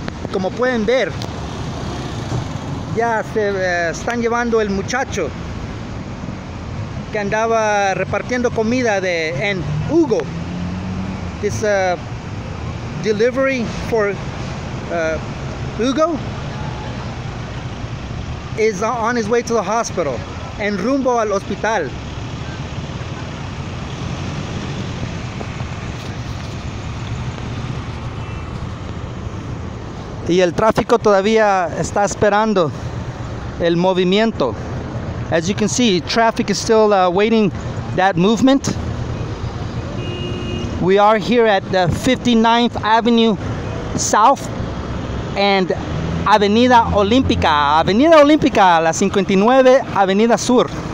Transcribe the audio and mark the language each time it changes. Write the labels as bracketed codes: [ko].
[es] Como pueden ver, ya se están llevando el muchacho que andaba repartiendo comida en Hugo. [en] This delivery for Hugo is on his way to the hospital, [es] en rumbo al hospital. Y el tráfico todavía está esperando el movimiento. [en] As you can see, traffic is still waiting that movement. We are here at the 59th Avenue South and Avenida Olímpica, Avenida Olímpica, la 59 Avenida Sur.